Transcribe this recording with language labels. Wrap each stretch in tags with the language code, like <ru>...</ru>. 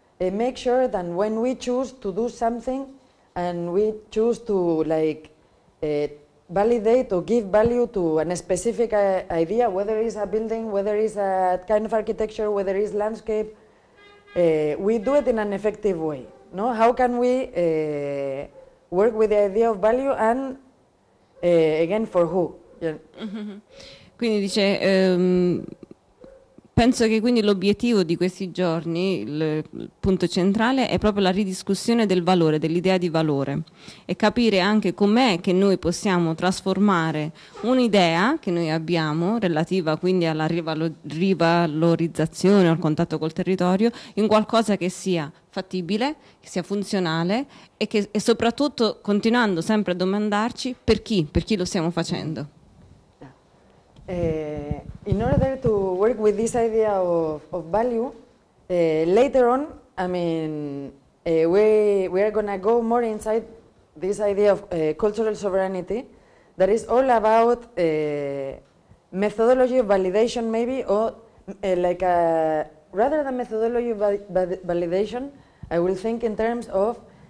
<en>make sure that when we choose to do something and we choose to like validate or give value to a specific idea, whether it's a building, whether it's a kind of architecture, whether it's landscape, we do it in an effective way. No? How can we work with the idea of value and again for who?</en> <it>Quindi dice, penso che quindi l'obiettivo di questi giorni, il punto centrale, è proprio la ridiscussione del valore, dell'idea di valore, e capire anche com'è che noi possiamo trasformare un'idea che noi abbiamo, relativa quindi alla rivalorizzazione o al contatto col territorio, in qualcosa che sia fattibile, che sia funzionale e soprattutto continuando sempre a domandarci per chi lo stiamo facendo.</it> <en>In order to work with this idea of value, later on, I mean, we are going to go more inside this idea of cultural sovereignty that is all about methodology of validation, maybe, or like a, rather than methodology of validation, I will think in terms of</en>